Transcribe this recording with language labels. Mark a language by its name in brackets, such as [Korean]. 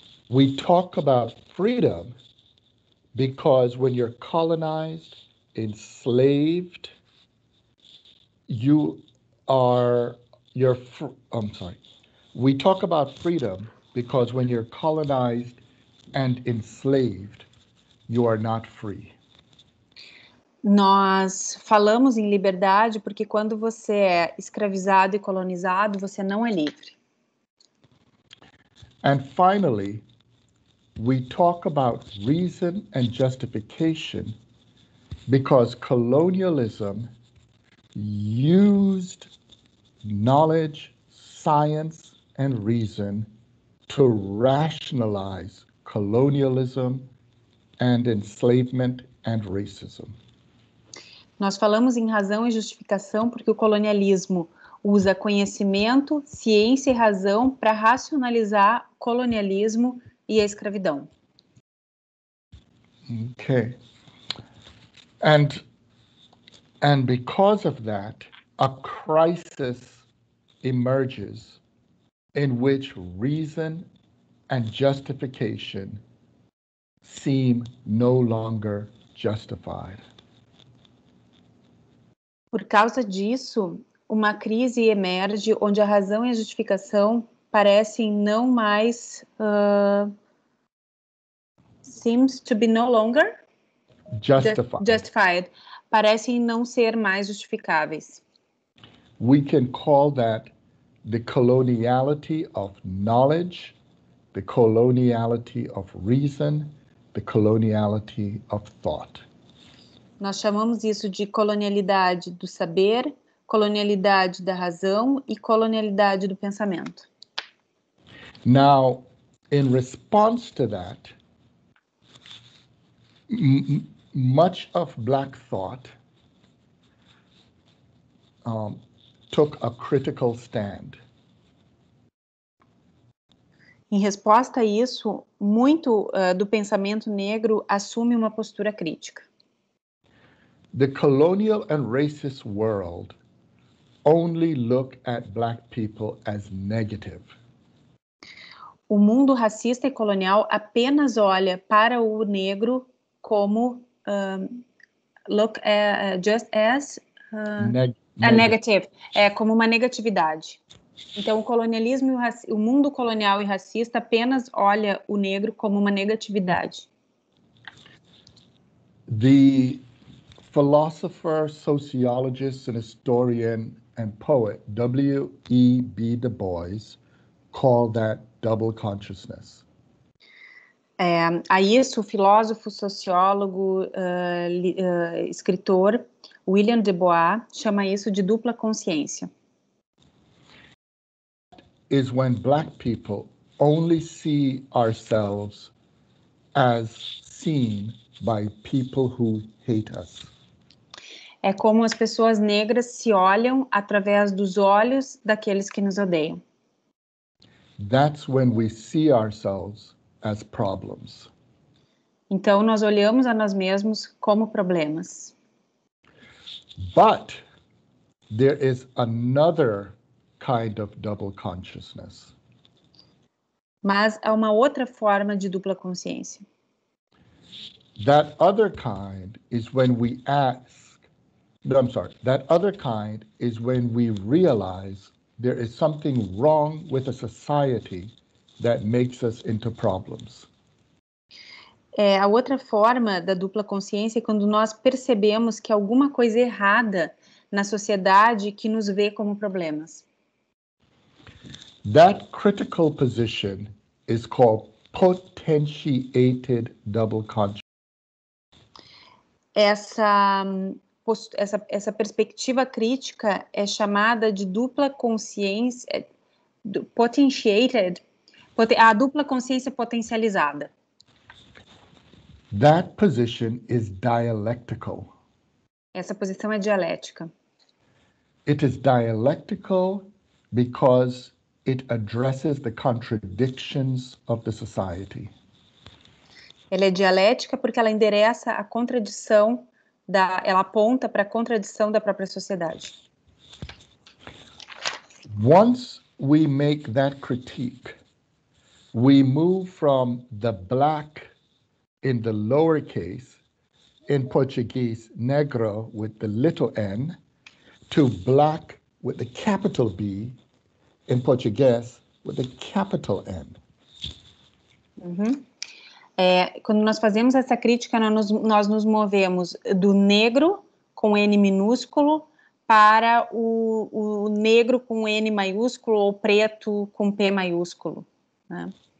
[English] We talk about freedom because when you're colonized, enslaved, We talk about freedom because when you're colonized and enslaved, you are not free. [Portuguese] Nós falamos em liberdade porque quando você é escravizado e colonizado, você não é livre. [English] And finally, we talk about reason and justification because colonialism used knowledge, science, and reason to rationalize colonialism and enslavement and racism. [Portuguese] Nós falamos em razão e justificação porque o colonialismo usa conhecimento, ciência e razão para racionalizar colonialismo e a escravidão. Ok. [English] And because of that, a crisis emerges in which reason and justification seem no longer justified. [Portuguese] Por causa disso, uma crise emerge onde a razão e a justificação parecem não mais [English] seems to be no longer justified. [Portuguese] Parecem não ser mais justificáveis. [English] We can call that the coloniality of knowledge, the coloniality of reason, the coloniality of thought. [Portuguese] Nós chamamos isso de colonialidade do saber, colonialidade da razão e colonialidade do pensamento. [English] Now, in response to that, much of Black thought took a critical stand. [Portuguese] Em resposta a isso, muito do pensamento negro assume uma postura crítica. [English] The colonial and racist world only look at Black people as negative. [Portuguese] O mundo racista e colonial apenas olha para o negro como negative. É como uma negatividade. Então, o colonialismo, o mundo colonial e racista apenas olha o negro como uma negatividade. [English] The philosopher, sociologist, and historian and poet W.E.B. Du Bois called that double consciousness. [Portuguese] A isso, o filósofo, sociólogo, escritor William Du Bois chama isso de dupla consciência. [English] Is when Black people only see ourselves as seen by people who hate us. [Portuguese] É como as pessoas negras se olham através dos olhos daqueles que nos odeiam. [English] That's when we see ourselves as problems. [Portuguese] Então nós olhamos a nós mesmos como problemas. [English] But there is another kind of double consciousness. [Portuguese] Mas há uma outra forma de dupla consciência. [English] That other kind is when we ask, no, I'm sorry, that other kind is when we realize there is something wrong with a society that makes us into problems. [Portuguese] A outra forma da dupla consciência é quando nós percebemos que alguma coisa errada na sociedade que nos vê como problemas. [English] That critical position is called potentiated double consciousness. [Portuguese] Essa perspectiva crítica é chamada de dupla consciência, potentiated. A dupla consciência potencializada. [English] That position is dialectical. [Portuguese] Essa posição é dialética. [English] It is dialectical because it addresses the contradictions of the society. [Portuguese] Ela é dialética porque ela endereça a contradição da, ela aponta para a contradição da própria sociedade. [English] Once we make that critique, we move from the black in the lowercase, in Portuguese, negro with the little n, to black with the capital B, in Portuguese, with the capital N. [Portuguese] Uhum. É, quando nós fazemos essa crítica, nós nos movemos do negro com N minúsculo para o negro com N maiúsculo ou preto com P maiúsculo. Né?